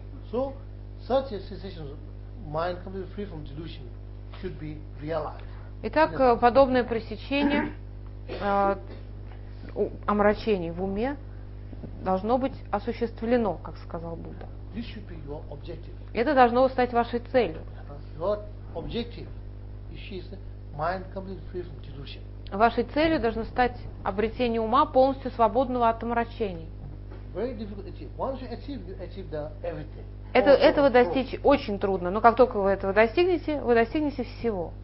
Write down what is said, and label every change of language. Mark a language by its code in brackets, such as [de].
[en] So, such a sensation, mind completely free from delusion, should be realized. [ru] Итак, подобное пресечение омрачений в уме должно быть осуществлено, как сказал Будда. [en] This should be your objective. [ru] Это должно стать вашей целью. [en] Your objective is mind completely free from delusion. [ru] Вашей целью должно стать обретение ума полностью свободного от омрачений. [en] Very difficult to achieve. Once you achieve the everything. [ru] Этого достичь очень трудно, но как только вы этого достигнете, вы достигнете всего.